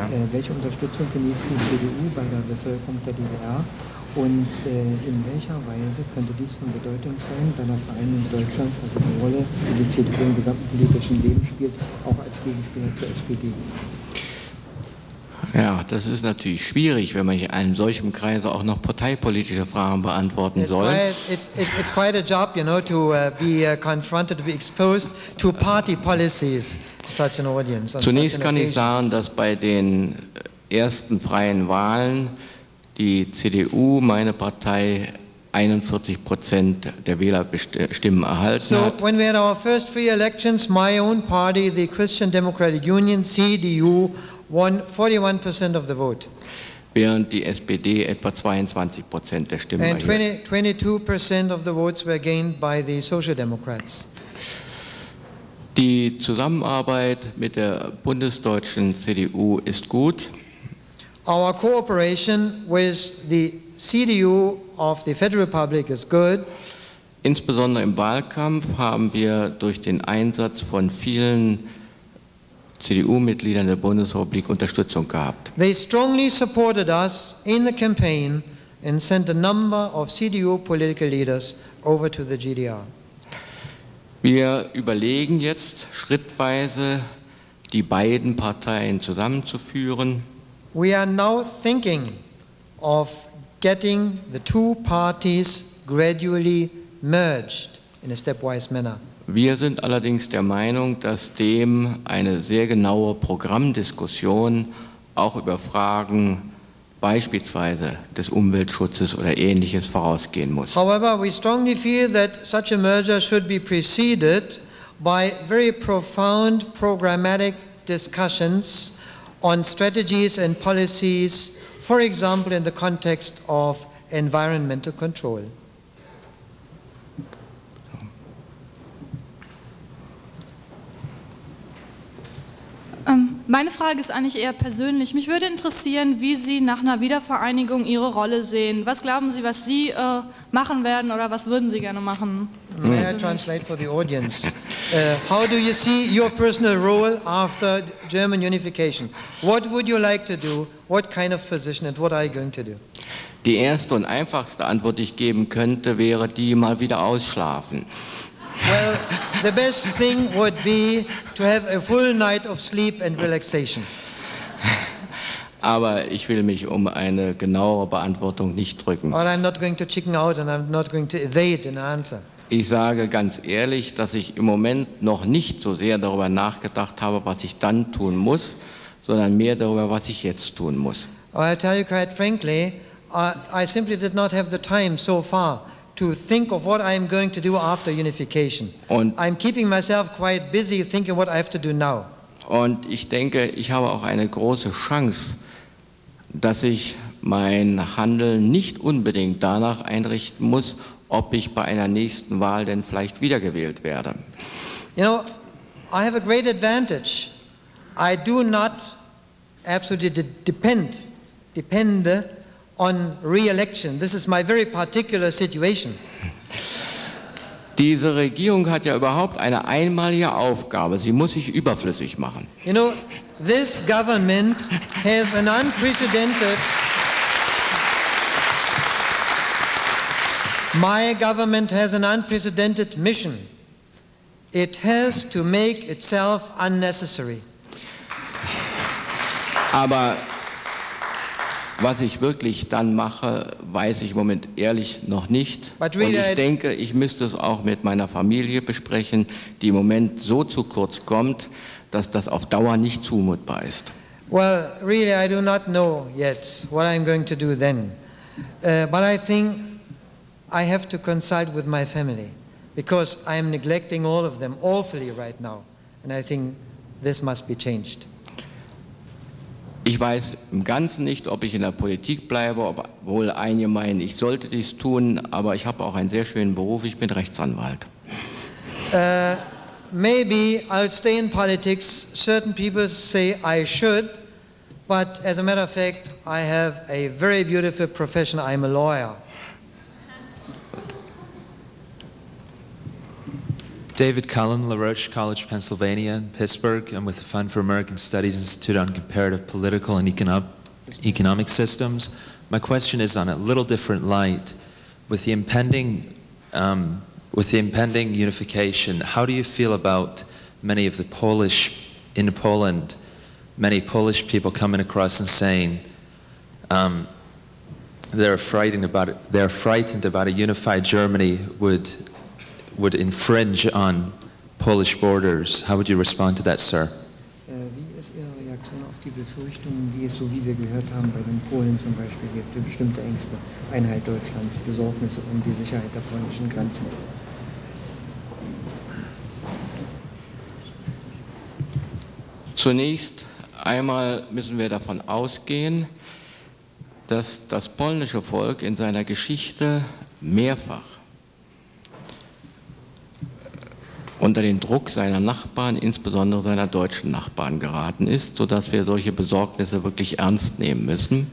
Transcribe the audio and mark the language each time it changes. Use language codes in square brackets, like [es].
[de] Welche Unterstützung genießt die CDU bei der Bevölkerung der DDR und in welcher Weise könnte dies von Bedeutung sein, wenn der Verein in Deutschland, also die Rolle, die die CDU im gesamten politischen Leben spielt, auch als Gegenspieler zur SPD? Ja, das ist natürlich schwierig, wenn man in einem solchen Kreise auch noch parteipolitische Fragen beantworten soll. [en] It's quite a job, you know, to be confronted, to be exposed to party policies, such an audience. [de] Zunächst kann ich sagen, dass bei den ersten freien Wahlen die CDU, meine Partei, 41% der Wähler Stimmen erhalten hat. [en] So, when we had our first free elections, my own party, the Christian Democratic Union, CDU, won 41% of the vote. [de] Während die SPD etwa 22% der Stimmen erhielt. [en] And 22% of the votes were gained by the Social Democrats. [de] Die Zusammenarbeit mit der bundesdeutschen CDU ist gut. [en] Our cooperation with the CDU of the Federal Republic is good. [de] Insbesondere im Wahlkampf haben wir durch den Einsatz von vielen CDU-Mitgliedern der Bundesrepublik Unterstützung gehabt. [en] They strongly supported us in the campaign and sent a number of CDU political leaders over to the GDR. [de] Wir überlegen jetzt schrittweise die beiden Parteien zusammenzuführen. [en] We are now thinking of getting the two parties gradually merged in a stepwise manner. [de] Wir sind allerdings der Meinung, dass dem eine sehr genaue Programmdiskussion auch über Fragen beispielsweise des Umweltschutzes oder ähnliches vorausgehen muss. [en] However, we strongly feel that such a merger should be preceded by very profound programmatic discussions on strategies and policies, for example, in the context of environmental control. [de] Meine Frage ist eigentlich eher persönlich. Mich würde interessieren, wie Sie nach einer Wiedervereinigung Ihre Rolle sehen. Was glauben Sie, was Sie machen werden oder was würden Sie gerne machen? [en] May I translate for the audience? How do you see your personal role after German unification? What would you like to do? What kind of position and what are you going to do? [de] Die erste und einfachste Antwort, die ich geben könnte, wäre die mal wieder ausschlafen. [en] Well, the best thing would be to have a full night of sleep and relaxation. [de] Aber ich will mich um eine genauere Beantwortung nicht drücken. [en] But I'm not going to chicken out and I'm not going to evade an answer. [de] Ich sage ganz ehrlich, dass ich im Moment noch nicht so sehr darüber nachgedacht habe, was ich dann tun muss, sondern mehr darüber, was ich jetzt tun muss. [en] Well, I'll tell you quite frankly, I simply did not have the time so far to think of what I am going to do after unification. [de] Und [en] I'm keeping myself quite busy thinking what I have to do now. [de] Und ich denke, ich habe auch eine große Chance, dass ich mein Handeln nicht unbedingt danach einrichten muss, ob ich bei einer nächsten Wahl denn vielleicht wiedergewählt werde. [en] You know, I have a great advantage. I do not absolutely depend on re-election. This is my very particular situation. [de] Diese Regierung hat ja überhaupt eine einmalige Aufgabe. Sie muss sich überflüssig machen. [en] You know, this government has an unprecedented... My government has an unprecedented mission. It has to make itself unnecessary. [de] Aber was ich wirklich dann mache, weiß ich im Moment ehrlich noch nicht. [en] Really, [de] und ich denke, ich müsste es auch mit meiner Familie besprechen, die im Moment so zu kurz kommt, dass das auf Dauer nicht zumutbar ist. [en] Well, really, I do not know yet what I'm going to do then. But I think I have to consult with my family, because I am neglecting all of them awfully right now. And I think this must be changed. [de] Ich weiß im Ganzen nicht, ob ich in der Politik bleibe, obwohl einige meinen, ich sollte dies tun, aber ich habe auch einen sehr schönen Beruf, ich bin Rechtsanwalt. [en] Maybe I'll stay in politics. Certain people say I should, but as a matter of fact, I have a very beautiful profession, I'm a lawyer. David Cullen, La Roche College, Pennsylvania, in Pittsburgh. I'm with the Fund for American Studies Institute on Comparative Political and Economic Systems. My question is on a little different light. With the impending, unification, how do you feel about many of the Polish, in Poland, many Polish people coming across and saying they're frightened about a unified Germany would infringe on Polish borders. How would you respond to that, sir? [de] Wie ist Ihre Reaktion auf die Befürchtung? Richtungen, die es, so wie wir gehört haben, bei den Polen zum Beispiel gibt, bestimmte Ängste, Einheit Deutschlands, Besorgnisse um die Sicherheit der polnischen Grenzen. Zunächst einmal müssen wir davon ausgehen, dass das polnische Volk in seiner Geschichte mehrfach unter den Druck seiner Nachbarn, insbesondere seiner deutschen Nachbarn, geraten ist, sodass wir solche Besorgnisse wirklich ernst nehmen müssen.